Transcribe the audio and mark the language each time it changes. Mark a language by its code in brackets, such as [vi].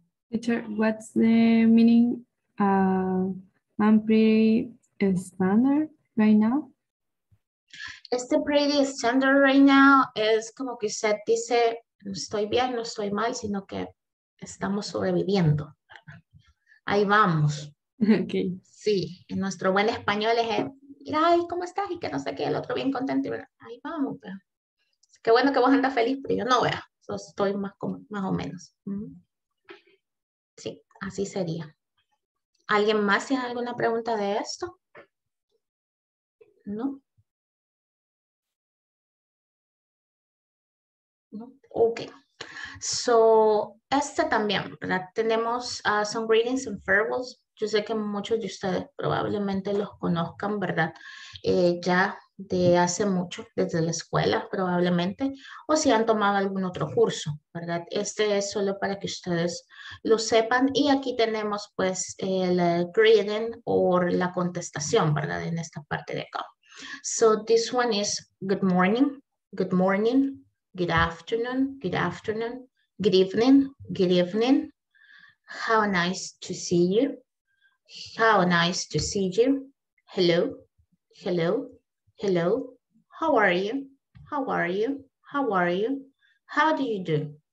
[en] Teacher, what's the meaning of I'm pretty standard right now? [es] Este [en] pretty standard right now [es] es como que usted dice, no estoy bien, no estoy mal, sino que estamos sobreviviendo. Ahí vamos. [en] Okay. [es] Sí, en nuestro buen español es, mira, ay, ¿cómo estás? Y que no sé qué, el otro bien contento. Ahí vamos. Pues. Qué bueno que vos andas feliz, pero yo no, vea. Estoy más, como, más o menos. Sí, así sería. ¿Alguien más tiene alguna pregunta de esto? ¿No? Ok, so este también, ¿verdad? Tenemos [en] some greetings and farewells. [es] Yo sé que muchos de ustedes probablemente los conozcan, ¿verdad? Ya de hace mucho, desde la escuela probablemente, o si han tomado algún otro curso, ¿verdad? Este es solo para que ustedes lo sepan. Y aquí tenemos pues el greeting o la contestación, ¿verdad? En esta parte de acá. [en] So this one is good morning, good morning. Good afternoon, good afternoon, good evening, good evening. How nice to see you. How nice to see you. Hello, hello, hello. How are you? How are you? How are you? How do you do?